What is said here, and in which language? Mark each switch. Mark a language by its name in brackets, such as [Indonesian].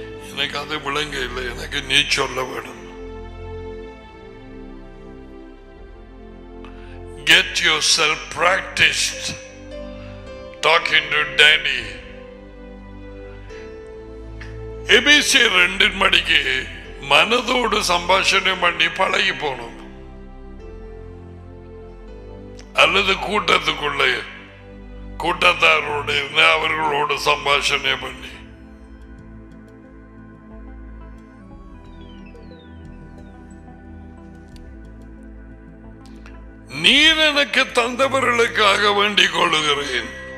[Tamil] எனக்கு அது விளங்க இல்லை, எனக்கு நீ சொல்ல வேணும். [English] Get yourself practiced talking to daddy. [Tamil] ரெண்டின் மடிக்கு மனதோடு சம்பாஷணம் பண்ணி பழகி போனோம், அல்லது கூட்டத்துக்குள்ள கூட்டத்தாரோடு இருந்து அவர்களோடு சம்பாஷணம் பண்ணி நீர் எனக்கு தந்தவர்களுக்காக வேண்டிக் கொள்ளுகிறேன்.